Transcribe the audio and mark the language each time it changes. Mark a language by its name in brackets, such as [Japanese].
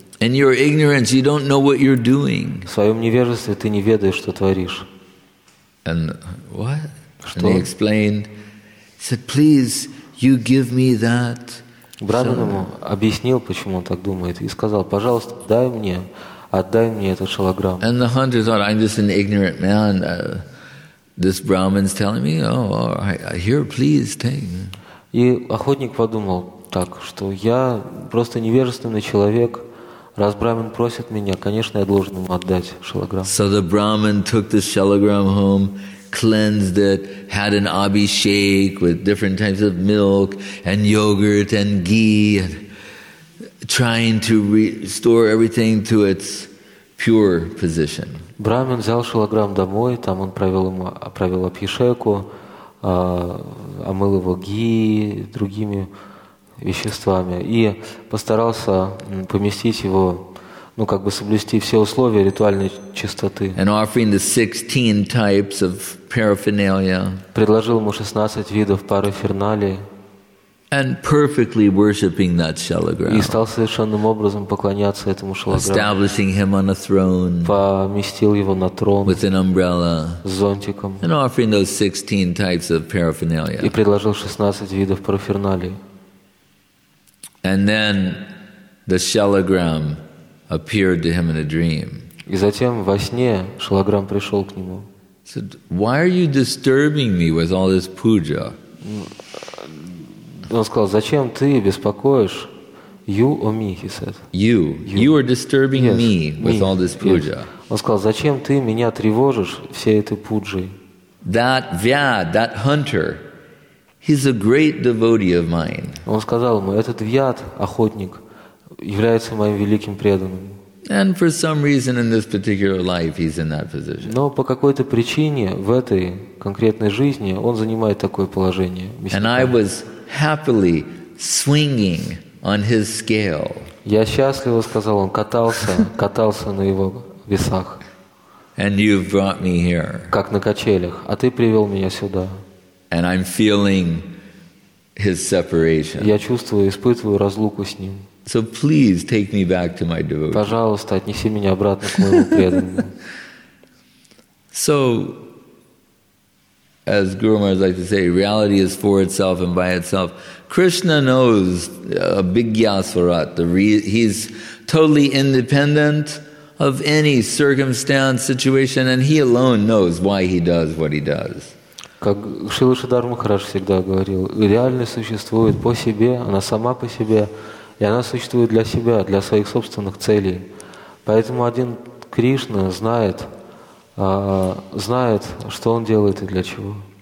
[English] In your ignorance, you don't know what you're doing. [Russian] В своем невежестве ты не ведаешь, что творишь. [English] And what? [Russian] Что? [English] And he explained. He said, "Please, you give me that." [Russian] Брамин ему объяснил, почему он так думает, и сказал: «Пожалуйста, дай мне, отдай мне этот шалограмм». [English] And the hunter thought, I'm just an ignorant man. This Brahmin's telling me, here, please take. [Russian] И охотник подумал так, что я просто невежественный человек. Раз брамин просит меня, конечно, я должен ему отдать шалограмм. [English] So the Brahmin took the shalagram home, cleansed it, had an abhishek with different types of milk and yogurt and ghee, and trying to restore everything to its pure position. [Russian] Брахман взял шалаграм домой, там он провел абхишеку, омыл его ги, другими веществами, и постарался поместить его, ну, как бы соблюсти все условия ритуальной чистоты. [English] And offering the 16 types of paraphernalia. [Russian] Предложил ему 16 видов параферналии. [English] And perfectly worshiping that shalagram. [Russian] И стал совершенным образом поклоняться этому шалаграму. [English] Establishing him on a throne. [Russian] Поместил его на трон. [English] With an umbrella. [Russian] С зонтиком. [English] And offering those 16 types of paraphernalia. [Russian] И предложил 16 видов параферналии. [English] And then the shalagram appeared to him in a dream. [Russian] И затем во сне шалаграм пришел к нему. [English] He said, "Why are you disturbing me with all this puja?" [Russian] Он сказал, зачем ты беспокоишь [English] you or me, he said. You are disturbing me with all this puja. [Russian] Он сказал, зачем ты меня тревожишь всей этой пуджей? [English] That vyad, that hunter, he's a great devotee of mine. [Russian] Он сказал ему, этот вьяд, охотник, является моим великим преданным. [English] And for some reason in this particular life he's in that position. [Russian] Но по какой-то причине в этой конкретной жизни он занимает такое положение. [English] And I was happily swinging on his scale. [Russian] Я счастливо, сказал он, катался на его весах. [English] And you've brought me here. [Russian] Как на качелях, а ты привел меня сюда. [English] And I'm feeling his separation. [Russian] Я чувствую, испытываю разлуку с ним. [English] So please take me back to my devotee. [Russian] Пожалуйста, отнеси меня обратно к моему преданному. [English] So, as Guru Maharaj likes to say, reality is for itself and by itself. Krishna knows abhigyasvarat. He's totally independent of any circumstance, situation, and he alone knows why he does what he does. [Russian] Как Шрила Шридхар Махарадж всегда говорил, реальность существует по себе, она сама по себе, и она существует для себя, для своих собственных целей. Поэтому один Кришна знает, что он делает и для чего.